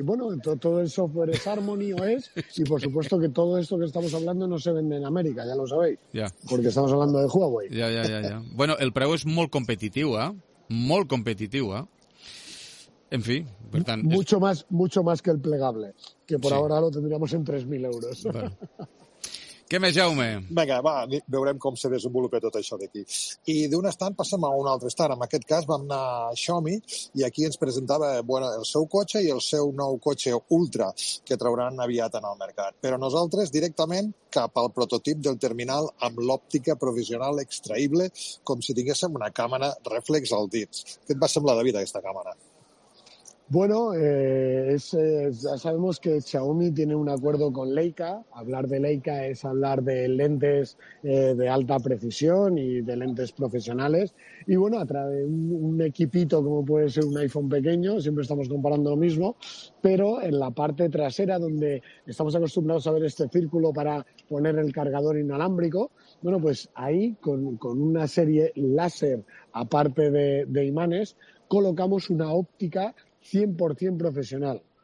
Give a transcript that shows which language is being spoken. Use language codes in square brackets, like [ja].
[es] Bueno, todo el software es Harmony OS y por supuesto que todo esto que estamos hablando no se vende en América, ya lo sabéis. Ya. Porque estamos hablando de Huawei. Ya. Bueno, el preu es muy competitivo, ¿eh? Muy competitivo, ¿eh? En fin, por tanto, mucho es... mucho más que el plegable, que por sí. Ahora lo tendríamos en 3.000 euros. [ca] Bueno. Què més, Jaume? Vinga, va, veurem com se desenvolupa tot això d'aquí. I d'un estant passem a un altre estant. En aquest cas vam anar a Xiaomi i aquí ens presentava bueno, el seu cotxe i el seu nou cotxe Ultra que trauran aviat en el mercat. Però nosaltres directament cap al prototip del terminal amb l'òptica provisional extraïble com si tinguéssim una càmera reflex al dins. Què et va semblar, David, aquesta càmera? [es] Bueno, ya sabemos que Xiaomi tiene un acuerdo con Leica. Hablar de Leica es hablar de lentes de alta precisión y de lentes profesionales. Y bueno, a través de un equipito como puede ser un iPhone pequeño, siempre estamos comparando lo mismo, pero en la parte trasera donde estamos acostumbrados a ver este círculo para poner el cargador inalámbrico, bueno, pues ahí con una serie láser, aparte de imanes, colocamos una óptica 100% profesional,